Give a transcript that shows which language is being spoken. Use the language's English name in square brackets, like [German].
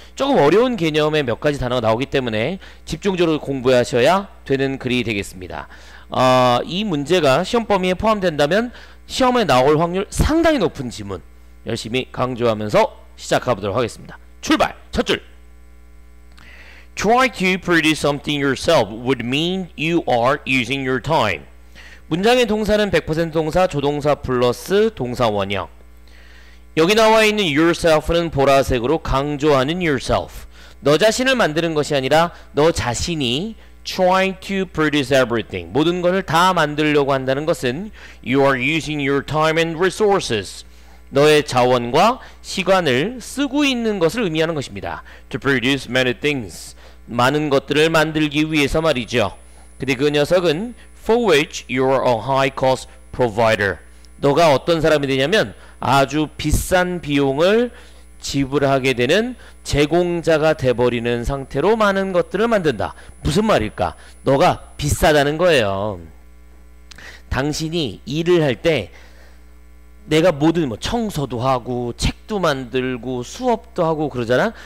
[Korean] 조금 어려운 개념의 몇 가지 단어가 나오기 때문에 집중적으로 공부하셔야 되는 글이 되겠습니다. 이 문제가 시험 범위에 포함된다면 시험에 나올 확률 상당히 높은 지문, 열심히 강조하면서 시작해보도록 하겠습니다. 출발! 첫 줄! [English] Try to produce something yourself would mean you are using your time. [Korean] 문장의 동사는 100% 동사, 조동사 플러스 동사 원형. 여기 나와 있는 yourself는 보라색으로 강조하는 yourself. 너 자신을 만드는 것이 아니라 너 자신이 [English] try to produce everything. [Korean] 모든 것을 다 만들려고 한다는 것은 [English] you are using your time and resources. [Korean] 너의 자원과 시간을 쓰고 있는 것을 의미하는 것입니다. [English] To produce many things. [Korean] 많은 것들을 만들기 위해서 말이죠. 근데 그 녀석은 [English] for which you're a high cost provider. [Korean] 너가 어떤 사람이 되냐면 아주 비싼 비용을 지불하게 되는 제공자가 돼버리는 상태로 많은 것들을 만든다. 무슨 말일까? 너가 비싸다는 거예요. 당신이 일을 할 때 내가 모든 뭐 청소도 하고 책도 만들고 수업도 하고 그러잖아.